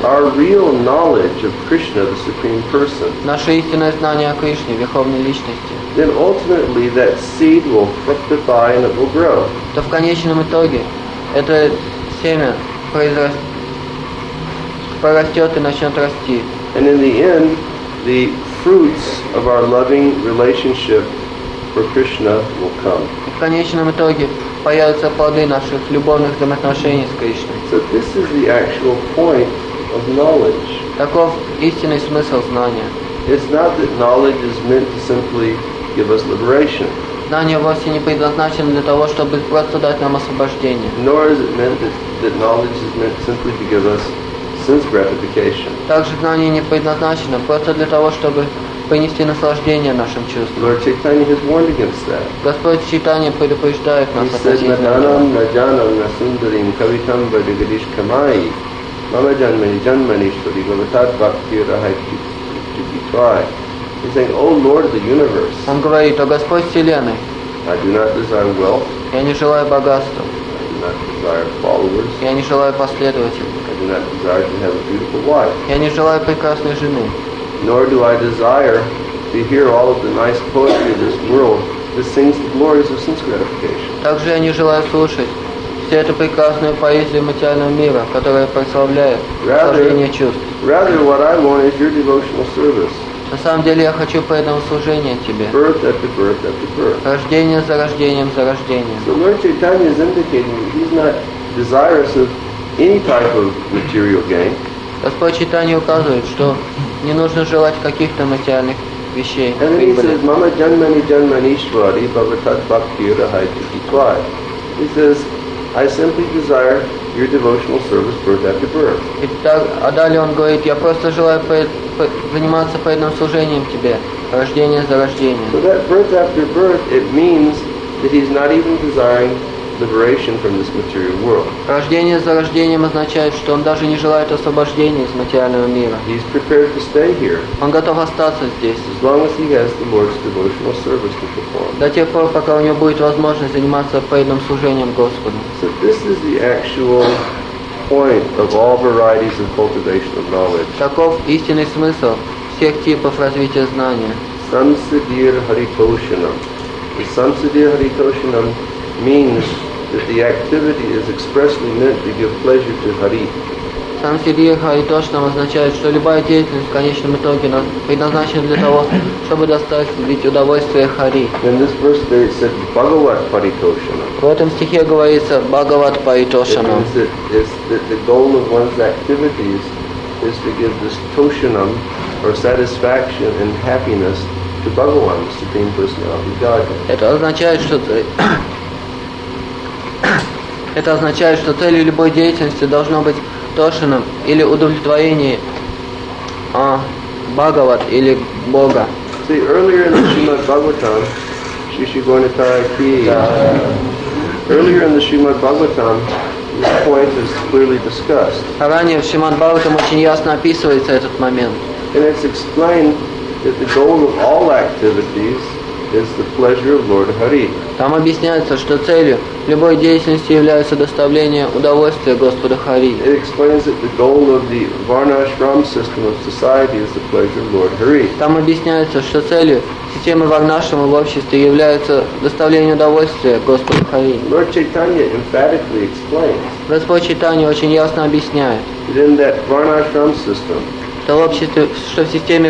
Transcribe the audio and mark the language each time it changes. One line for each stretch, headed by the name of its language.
English: Our real knowledge of Krishna, the Supreme Person.
Russian: Наше истинное знание о Кришне, Верховной Личности.
English: Then ultimately that seed will fructify and it will grow.
Russian: То в конечном итоге это семя прорастет и начнет расти.
English: And in the end, the fruits of our loving relationship for Krishna will come.
Russian: В конечном итоге появятся плоды наших любовных взаимоотношений с Кришной.
English: So this is the actual point of knowledge.
Russian: Таков истинный смысл знания.
English: It's not that knowledge is meant to simply give us liberation.
Russian: Знание вовсе не предназначено для того, чтобы просто дать нам освобождение.
English: Nor is it meant that knowledge is meant simply to give us sense gratification.
Russian: Также знание не предназначено просто для того, чтобы принести наслаждение нашим чувствам.
English: Lord Chaitanya has warned against that.
Russian: Господь Чайтанья предупреждает нас относительно этого.
English: He said,
Sanskrit: "Наданам, наджанам, насундарим, кавитам, бадигадиш, камай, мама джанмани, джанмани, шури, гаватат, бхакти, рахай, тюкитвай."
English: He's saying, "O Lord of the universe."
Russian: Он говорит, о Господь Вселенной.
English: I do not desire wealth.
Russian: Я не желаю богатства.
English: I do not desire followers.
Russian: Я не желаю последователей.
English: I do not desire to have a beautiful wife.
Russian: Я не желаю прекрасной жены.
English: Nor do I desire to hear all of the nice poetry of this world that sings the glories of sense gratification.
Russian: Также я не желаю слушать всю эту прекрасную поэзию материального мира, которая прославляет наслаждение чувств.
English: Rather, what I want is your devotional service.
Russian: На самом деле я хочу поэтому служение тебе.
English: Birth after birth after birth.
Russian: Рождение за рождением за рождением.
English: So Lord Chaitanya is indicating that he's not desirous of any type of material gain.
Russian: Господь Чайтанья указывает, что не нужно желать каких-то материальных вещей.
English: And then he says,
Sanskrit: "Mama janmani janmanishwari bhavatat bhakti rahai tukitvai."
English: He says, "I simply desire your devotional service birth after birth."
Russian: Итак, а далее он говорит, я просто желаю заниматься поэтому служением тебе, рождение за рождением.
English: So that birth after birth, it means that he's not even desiring liberation from this material world.
Russian: Рождение за рождением означает, что он даже не желает освобождения из материального мира.
English: He's prepared to stay here.
Russian: Он готов остаться здесь.
English: As long as he has the Lord's devotional service to perform.
Russian: До тех пор, пока у него будет возможность заниматься поэтому служением Господу.
English: So this is the actual point of all varieties of cultivation of knowledge.
Russian: Таков истинный смысл всех типов развития знания.
Sanskrit: Samsidhir Haritoshanam.
English: Samsidhir Haritoshanam means that the activity is expressly meant to give pleasure to Hari.
Russian: Samsidhir Haritoshanam означает, что любая деятельность в конечном итоге предназначена для того, чтобы доставить удовольствие Хари.
English: In this verse there it said Bhagavat Paritoshanam.
Russian: В этом стихе говорится Бхагават Паритошанам.
English: The goal of one's activities is to give this toshanam or satisfaction and happiness to Bhagavan, the Supreme Personality of Godhead.
Russian: Это означает, что целью любой деятельности должно быть тошанам или удовлетворение Бхагават или Бога.
English: See, earlier in the Srimad Bhagavatam, Shishi Gornitaya Ki. Earlier in the Srimad Bhagavatam, this point is clearly discussed.
Russian: Ранее в Шримад Бхагаватам очень ясно описывается этот момент.
English: And it's explained that the goal of all activities is the pleasure of Lord Hari.
Russian: Там объясняется, что целью любой деятельности является доставление удовольствия Господа Хари.
English: It explains that the goal of the Varnashram system of society is the pleasure of Lord Hari.
Russian: Там объясняется, что целью системы Варнашрама в обществе является доставление удовольствия Господу Хари.
English: Lord Chaitanya emphatically explains.
Russian: Господь Чайтанья очень ясно объясняет.
English: In that Varnashram system.
Russian: То общество, что в системе